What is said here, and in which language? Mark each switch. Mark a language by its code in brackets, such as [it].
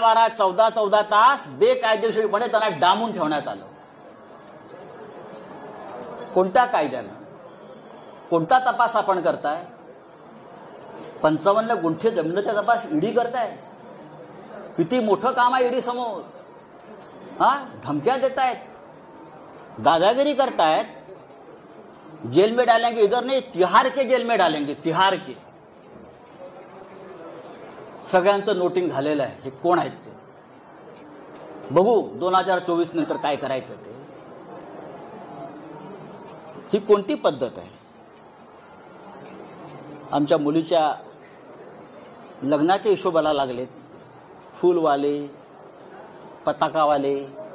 [mr] 12-12, 14-14 तास बेकायदेशीर म्हणजे त्यांना डांबून ठेवण्यात आलं. कोणत्या कायद्यानं कोणता तपास आपण करताय? 55 गुंठे जमिनीचा तपास ईडी करताय. किती मोठं काम आहे ईडी समोर. हा, धमक्या देतायत, दादागिरी करतायत, [hi] जेल में डालेंगे. इधर नाही, तिहार के जेल में डालेंगे, तिहार के. [mr] सगळ्यांचं नोटिंग झालेलं आहे. हे कोण आहेत ते बघू 2024 नंतर काय करायचं. ते ही कोणती पद्धत आहे? आमच्या मुलीच्या लग्नाच्या हिशोबाला लागलेत फुलवाले, पताकावाले.